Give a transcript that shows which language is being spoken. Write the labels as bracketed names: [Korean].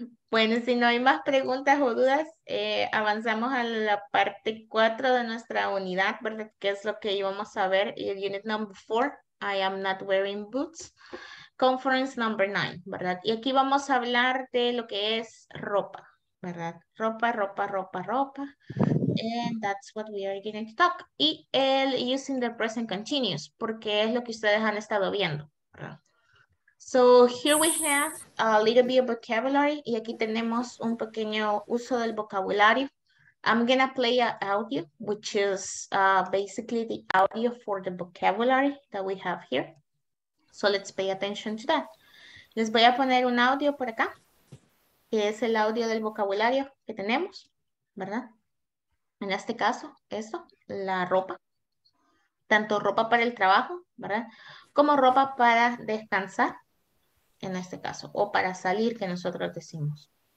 [Spanish] Bueno, si no hay más preguntas o dudas, avanzamos a la parte 4 de nuestra unidad, ¿verdad? Que es lo que íbamos a ver. [English] Unit number 4, I am not wearing boots. [Spanish] Conference number 9, ¿verdad? Y aquí vamos a hablar de lo que es ropa, ¿verdad? Ropa. [English] And that's what we are going to talk. [Spanish] Y el [English] using the present continuous, [Spanish] porque es lo que ustedes han estado viendo, ¿verdad? [English] So here we have a little bit of vocabulary [Spanish] y aquí tenemos un pequeño uso del vocabulario. [English] I'm gonna play an audio, which is basically the audio for the vocabulary that we have here. So let's pay attention to that. [Spanish] Les voy a poner un audio por acá, que es el audio del vocabulario que tenemos, ¿verdad? En este caso, eso, la ropa. Tanto ropa para el trabajo, ¿verdad? Como ropa para descansar, en este caso, o para salir, que nosotros decimos.